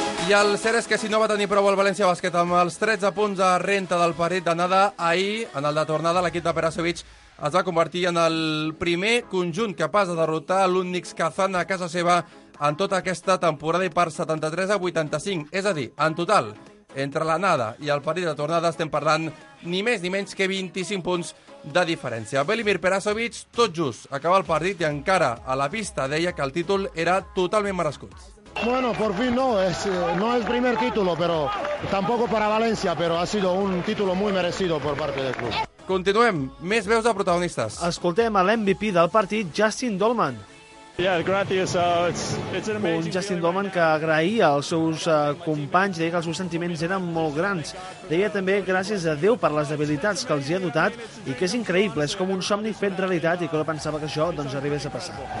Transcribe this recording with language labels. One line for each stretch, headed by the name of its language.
Catalan: I el cert és que si no va tenir prou el València Bàsquet amb els 13 punts de renta del partit d'anada, ahir, en el de tornada, l'equip de Perasovic es va convertir en el primer conjunt capaç de derrotar l'Unix Kazan a casa seva en tota aquesta temporada i per 73-85. És a dir, en total, entre l'anada i el partit de tornada estem parlant ni més ni menys que 25 punts de diferència. Velimir Perasovic, tot just, acaba el partit i encara a la pista deia que el títol era totalment merescut.
Spanish: Bueno, por fin no, no es primer título, pero tampoco para Valencia, pero ha sido un título muy merecido por parte del club.
Catalan: Continuem, més veus de protagonistes. Escoltem a l'MVP del partit, Justin Dolman. Un Justin Dolman que agraïa als seus companys, deia que els seus sentiments eren molt grans. Deia també gràcies a Déu per les habilitats que els hi ha dotat i que és increïble, és com un somni fet realitat i que no pensava que això doncs arribés a passar.